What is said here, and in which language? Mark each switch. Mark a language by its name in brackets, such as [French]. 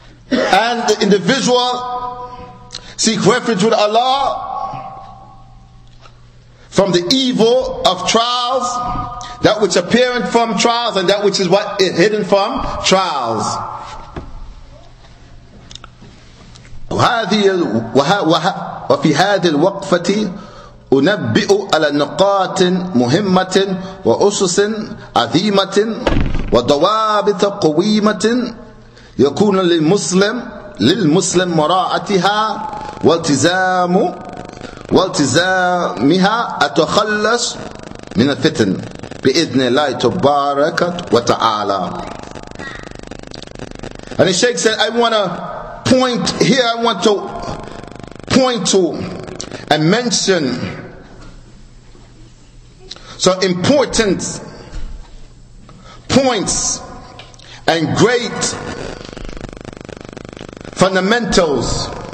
[English] And the individual seek refuge with Allah from the evil of trials, that which apparent from trials and that which is what is hidden from trials. [Arabic] وفي هذه الوقفة أنبئ على نقاط مهمة وأسس عظيمة وضوابط قويمة يكون للمسلم مراعاتها والتزامها أتخلص من الفتن بإذن الله تبارك وتعالى. [English] And the Sheikh said, I want to point to and mention some important points and great fundamentals